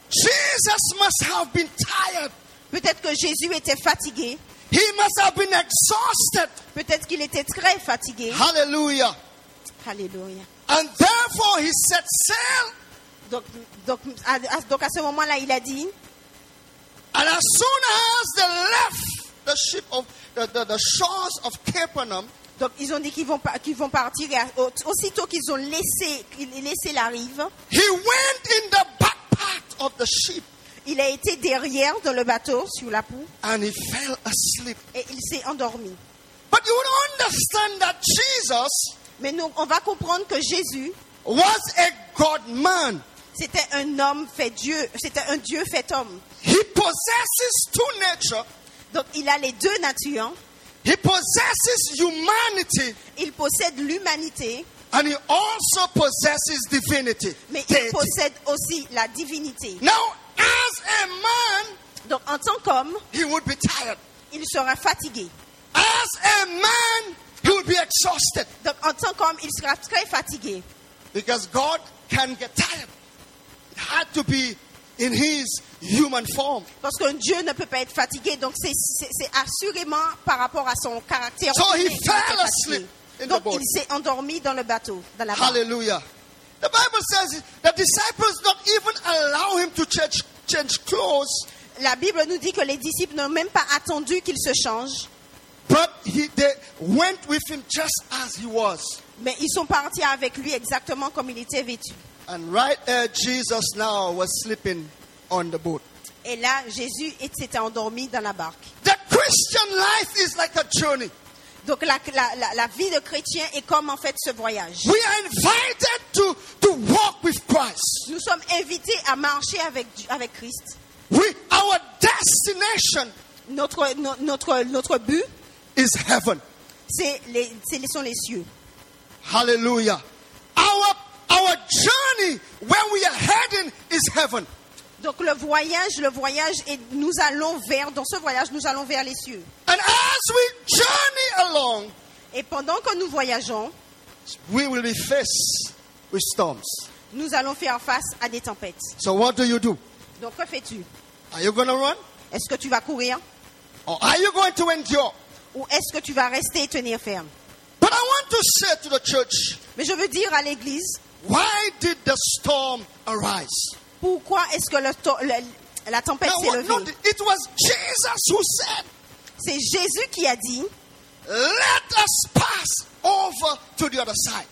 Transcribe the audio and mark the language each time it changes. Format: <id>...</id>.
<en>Jesus must have been tired.</en> <fr>Peut-être que Jésus était fatigué.</fr> <en>He must have been exhausted.</en> <fr>Peut-être qu'il était très fatigué. Hallelujah. Hallelujah.</fr> <en>And therefore he set sail.</en> <fr>Donc à ce moment-là, il a dit.</fr> <en>And as soon as they left the ship of the shores of Capernaum.</en> <fr>Donc ils ont dit qu'ils vont partir et aussitôt qu'ils ont laissé la rive.</fr> <en>He went in the back part of the ship.</en> <fr>Il a été derrière dans le bateau sur la poupe.</fr> <en>And he fell asleep.</en> <fr>Et il s'est endormi.</fr> <en>But you would understand that Jesus.</en> <fr>Mais nous, on va comprendre que Jésus</fr> <en>was a God man.</en> <fr>C'était un homme fait Dieu. C'était un Dieu fait homme.</fr> <en>He possesses two natures.</en> <fr>Donc il a les deux natures.</fr> <en>He possesses humanity.</en> <fr>Il possède l'humanité.</fr> <en>And he also possesses divinity.</en> <fr>Mais il possède aussi la divinité.</fr> <en>Now, as a man,</en> <fr>donc en tant qu'homme,</fr> <en>he would be tired.</en> <fr>Il sera fatigué.</fr> <en>As a man, he would be exhausted.</en> <fr>Donc en tant qu'homme, il sera très fatigué.</fr> <en>Because God can get tired. It had to be in his human form.</en> <fr>Parce qu'un Dieu ne peut pas être fatigué, donc c'est assurément par rapport à son caractère.</fr> <en>So he fell asleep in</en> <fr>donc</fr> <en>the boat.</en> <fr>Il s'est endormi dans le bateau, dans la Hallelujah. Barque.</fr> <en>The Bible says the disciples not even allow him to change clothes.</en> <fr>La Bible nous dit que les disciples n'ont même pas attendu qu'il se change.</fr> <en>But they went with him just as he was.</en> <fr>Mais ils sont partis avec lui exactement comme il était vêtu.</fr> <en>And right there, Jesus now was sleeping. On the boat.</en> <fr>Et là, Jésus s'était endormi dans la barque.</fr> <en>The Christian life is like a journey.</en> <fr>Donc la vie de chrétien est comme en fait ce voyage.</fr> <en>We are invited to walk with Christ.</en> <fr>Nous sommes invités à marcher avec Christ.</fr> <en>We, our destination.</en> <fr>Notre but</fr> <en>is heaven.</en> <fr>Sont les cieux. Hallelujah.</fr> <en>Our journey where we are heading is heaven.</en> <fr>Donc le voyage et nous allons vers dans ce voyage nous allons vers les cieux.</fr> <en>And as we journey along,</en> <fr>et pendant que nous voyageons,</fr> <en>we will be faced with storms.</en> <fr>Nous allons faire face à des tempêtes.</fr> <en>So what do you do?</en> <fr>Donc que fais-tu?</fr> <en>Are you going to run?</en> <fr>Est-ce que tu vas courir?</fr> <en>Or are you going to endure?</en> <fr>Ou est-ce que tu vas rester et tenir ferme?</fr> <en>But I want to say to the church.</en> <fr>Mais je veux dire à l'église.</fr> <en>Why did the storm arise?</en> <fr>Pourquoi est-ce que la tempête s'est levée?</fr> <en>It was Jesus who said,</en> <fr>c'est Jésus qui a dit,</fr> <en>let us pass over to the other side.</en>